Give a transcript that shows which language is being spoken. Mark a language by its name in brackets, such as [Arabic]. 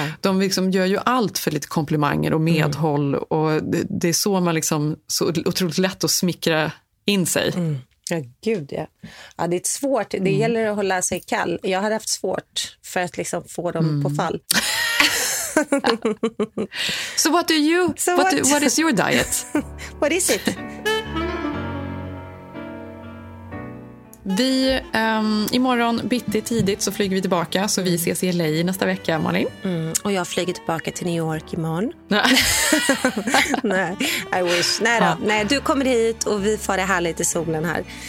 [Swedish] De liksom gör ju allt för lite komplimanger och medhåll, och det är så man liksom, så otroligt lätt att smickra in sig. Ja, gud ja. Ja, det är svårt. Det gäller att hålla sig kall. Jag har haft svårt för att liksom få dem på fall. [English] So what do you, so what, do, what is your diet? What is it? [Swedish] Vi, imorgon bitti tidigt så flyger vi tillbaka, så vi ses i LA nästa vecka, Malin. Och jag flyger tillbaka till New York imorgon. Nej, [English] I wish. [Swedish] Nej då, nej, du kommer hit och vi får det härligt i solen här.